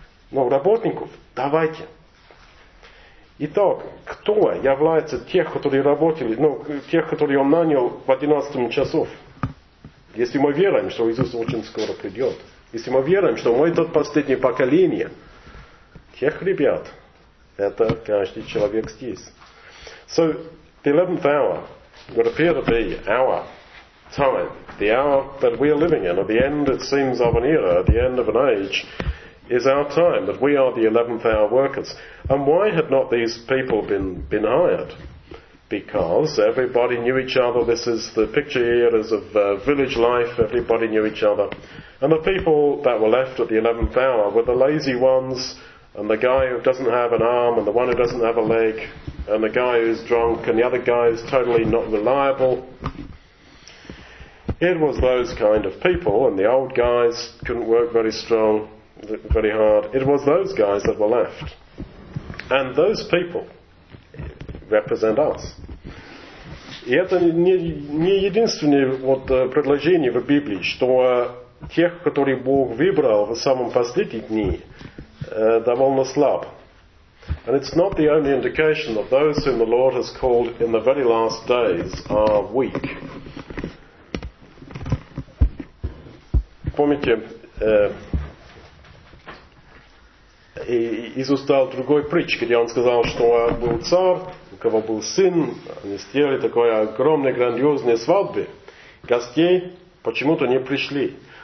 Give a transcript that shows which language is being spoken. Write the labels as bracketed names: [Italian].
[Russian] Но работников, давайте. Итак, кто является тех, которые работали, ну, тех, которые он нанял в 11 часов? Если мы веруем, что Иисус очень скоро придет. Если мы веруем, что мы тот последнее поколение. Тех ребят, это каждый человек здесь. [English] So, the 11th hour would appear to be our time, the hour that we are living in, or the end, it seems, of an era, the end of an age, is our time, that we are the 11th hour workers. And why had not these people been hired? Because everybody knew each other. This is the picture here is of village life. Everybody knew each other. And the people that were left at the 11th hour were the lazy ones, and the guy who doesn't have an arm, and the one who doesn't have a leg, and the guy who's drunk, and the other guy who's totally not reliable. It was those kind of people, and the old guys couldn't work very strong, very hard. It was those guys that were left. And those people represent us. [Russian] И это не единственное вот предложение в Библии, что тех, которые Бог выбрал в самом последние дни, довольно слаб. [English] And it's not the only indication that those whom the Lord has called in the very last days are weak. [Russian] Помните, Иисус дал другой притч, где он сказал, что был царь, у кого был сын, они сделали такое огромное, грандиозное свадьбы, гостей почему-то не пришли.